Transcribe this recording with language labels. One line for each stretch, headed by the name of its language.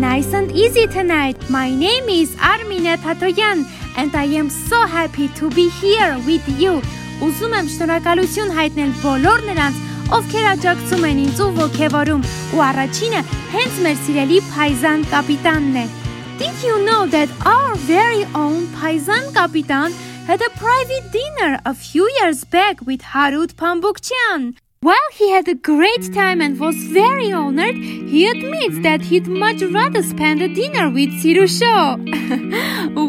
English: Tonight, my name is Armine Tatoyan, and I am so happy to be here with you.
Armenian: Ուզում եմ շնորհակալություն հայտնել բոլոր նրանց, ովքեր աջակցում են ինձ ու ոգևորում, ու առաջինը հենց մեր սիրելի Փայզան կապիտանն է.
English: Did you know that our very own Փայզան կապիտան had a private dinner a few years back with Harut Pambukchian? While he had a great time and was very honored, he admits that he'd much rather spend a dinner with Sirusho.